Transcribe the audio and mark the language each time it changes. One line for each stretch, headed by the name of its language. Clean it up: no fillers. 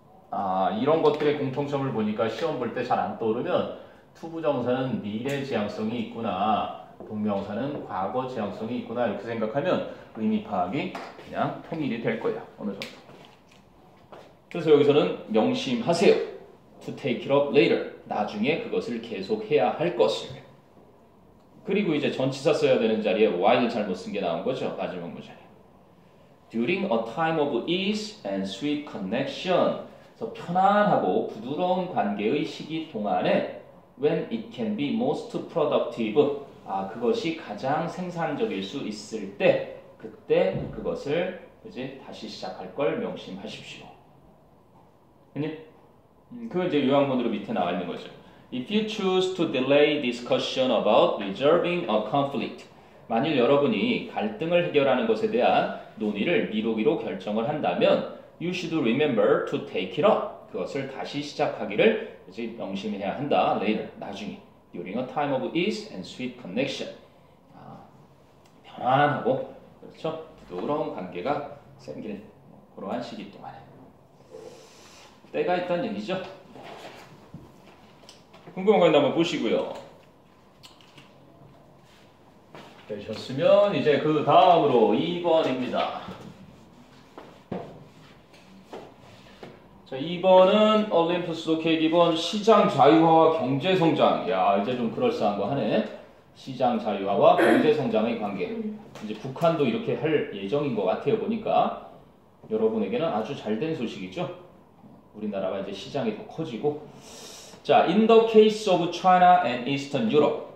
Korean: 아, 이런 것들의 공통점을 보니까 시험 볼 때 잘 안 떠오르면 투 부정사는 미래 지향성이 있구나, 동명사는 과거 지향성이 있구나 이렇게 생각하면 의미 파악이 그냥 통일이 될 거야 어느 정도. 그래서 여기서는 명심하세요.
English: To take it up later.
Korean: 나중에 그것을 계속해야 할 것을. 그리고 이제 전치사 써야 되는 자리에 while 잘못 쓴 게 나온 거죠. 마지막 문장에.
English: During a time of ease and sweet connection.
Korean: 그래서 편안하고 부드러운 관계의 시기 동안에
English: when it can be most productive.
Korean: 아, 그것이 가장 생산적일 수 있을 때 그때 그것을 이제 다시 시작할 걸 명심하십시오. 근데 그건 이제 요약문으로 밑에 나와 있는 거죠.
English: If you choose to delay discussion about resolving a conflict,
Korean: 만일 여러분이 갈등을 해결하는 것에 대한 논의를 미루기로 결정을 한다면,
English: you should remember to take it up.
Korean: 그것을 다시 시작하기를 이제 명심해야 한다.
English: Later,
Korean: 나중에.
English: During a time of ease and sweet connection.
Korean: 아, 편안하고, 그렇죠? 부드러운 관계가 생길 그러한 시기 동안에. 때가 있다는 얘기죠. 궁금한 거 있나 한번 보시고요. 되셨으면 이제 그 다음으로 2번입니다. 자, 2번은 올림푸스도 계기본 시장 자유화와 경제 성장. 야, 이제 좀 그럴싸한 거 하네. 시장 자유화와 경제 성장의 관계. 이제 북한도 이렇게 할 예정인 것 같아요. 보니까 여러분에게는 아주 잘된 소식이죠. 우리나라가 이제 시장이 더 커지고.
English: 자, in the case of China and Eastern Europe.